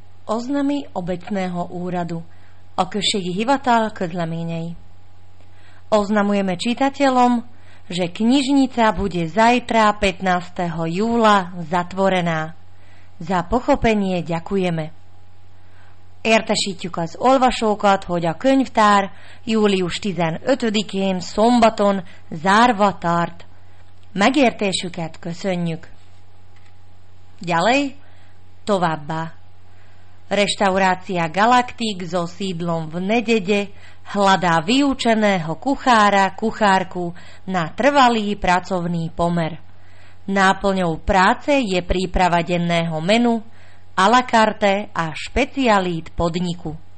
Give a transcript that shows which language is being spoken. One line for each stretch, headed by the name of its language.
Slovak: oznami obecného úradu o kršidi
Hungarian: hivatal közleményei.
Slovak: Oznamujeme čitateľom, že knižnica bude zajtra 15. júla zatvorená. Za pochopenie ďakujeme.
Hungarian: Értesítjük az olvasókat, hogy a könyvtár július 15-én szombaton zárva tart. Megértésüket köszönjük.
Slovak: Ďalej, továbbá. Reštaurácia Galaktik so sídlom v Nedede hľadá vyučeného kuchára, kuchárku na trvalý pracovný pomer. Náplňou práce je príprava denného menu, a la carte a špecialít podniku.